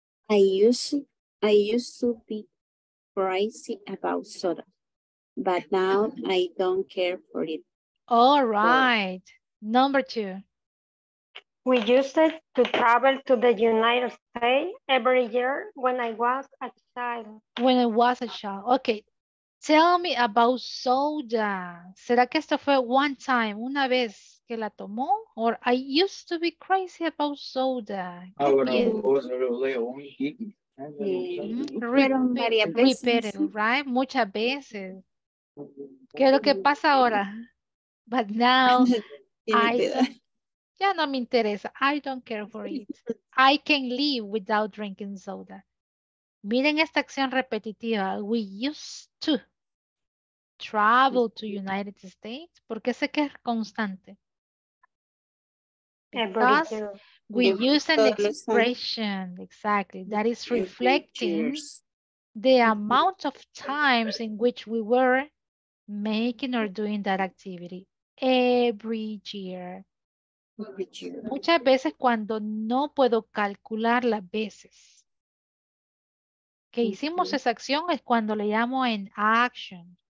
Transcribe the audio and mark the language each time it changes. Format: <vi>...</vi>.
<en>I used to be crazy about soda, but now I don't care for it. All right. So, number two. We used to travel to the United States every year when I was a child. When I was a child. Okay. Tell me about soda.</en> <es>¿Será que esto fue</es> <en>one time,</en> <es>una vez que la tomó?</es> <en>Or I used to be crazy about soda. Repeated, right?</en> <es>Muchas veces. ¿Qué es lo que pasa ahora?</es> <en>But now,</en> <es>ya no me interesa.</es> <en>I don't care for it. I can live without drinking soda.</en> <es>Miren esta acción repetitiva.</es> <en>We used to travel to United States.</en> <es>¿Por qué sé que es constante?</es> <en>Because we use an expression, exactly, that is reflecting the amount of times in which we were making or doing that activity every year.</en> <es>Muchas veces cuando no puedo calcular las veces que hicimos esa acción es cuando le llamo en action.</es>